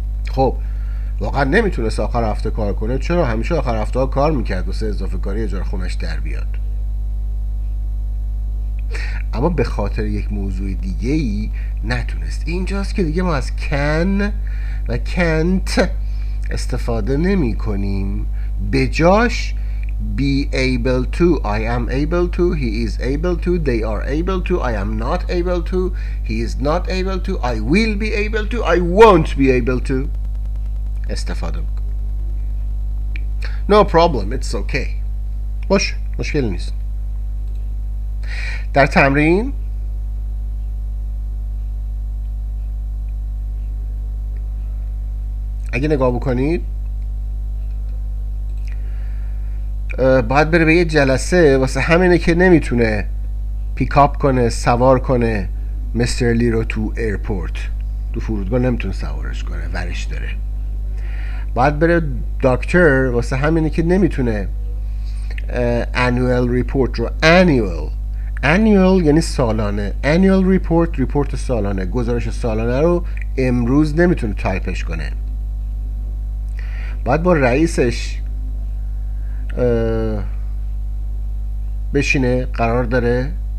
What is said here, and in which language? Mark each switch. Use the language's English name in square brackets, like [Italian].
[Persian] خب واقعا نمیتونست آخر هفته کار کنه. چرا؟ همیشه آخر هفته ها کار میکرد واسه اضافه کاری اجاره خونش در بیاد. اما به خاطر یک موضوع دیگه‌ای نتونست. اینجاست که دیگه ما از can و can't استفاده نمی کنیم. به جاش [English] be able to، I am able to، he is able to، they are able to، I am not able to، he is not able to، I will be able to، I won't be able to [Persian] استفاده میکنیم. [English] No problem، it's okay. [Persian] باشه، مشکل نیست. در تمرین اگه نگاه بکنید باید بره به یه جلسه، واسه همینه که نمیتونه پیک اپ کنه، سوار کنه مستر لی رو تو ایرپورت، تو فرودگاه نمیتونه سوارش کنه، ورش داره. باید بره دکتر، واسه همینه که نمیتونه [English] annual report رو annual. [Persian] Annual یعنی سالانه. Annual report، report سالانه، گزارش سالانه رو امروز نمیتونه تایپش کنه. باید با رئیسش بشینه، قرار داره.